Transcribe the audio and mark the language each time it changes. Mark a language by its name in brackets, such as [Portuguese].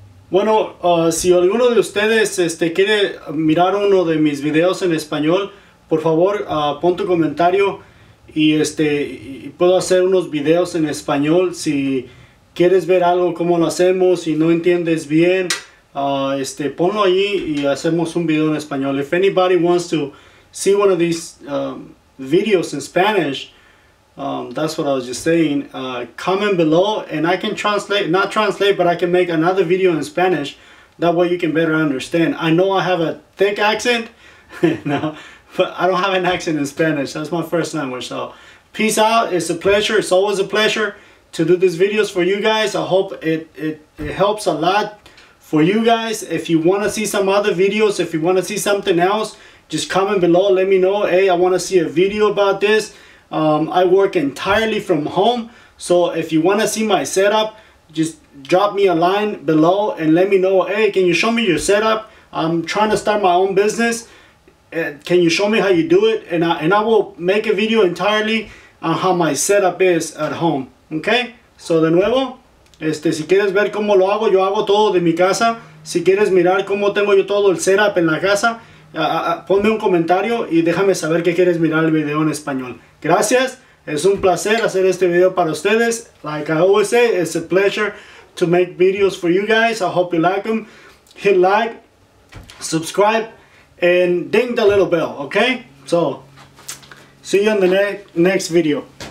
[Spanish] Bueno, si alguno de ustedes quiere mirar uno de mis videos en español, por favor, pon tu comentario y puedo hacer unos videos en español. Si quieres ver algo, cómo lo hacemos, si no entiendes bien, ponlo ahí y hacemos un video en español. [English] If anybody wants to see one of these videos in Spanish, that's what I was just saying, comment below and I can translate, not translate, but I can make another video in Spanish, that way you can better understand. I know I have a thick accent, no, but I don't have an accent in Spanish, that's my first language. So peace out, it's a pleasure, it's always a pleasure to do these videos for you guys. I hope it helps a lot for you guys. If you want to see some other videos, if you want to see something else, just comment below, let me know, hey, I want to see a video about this. I work entirely from home, so if you want to see my setup, just drop me a line below and let me know, hey, can you show me your setup? I'm trying to start my own business. Can you show me how you do it? And I will make a video entirely on how my setup is at home. Okay? [Spanish] So de nuevo, Este, si quieres ver cómo lo hago, yo hago todo de mi casa. Si quieres mirar cómo tengo yo todo el setup en la casa, ponme un comentario y déjame saber qué quieres mirar el video en español. Gracias, es un placer hacer este video para ustedes. [English] Like I always say, it's a pleasure to make videos for you guys. I hope you like them. Hit like, subscribe, and ding the little bell, okay? So, see you in the next video.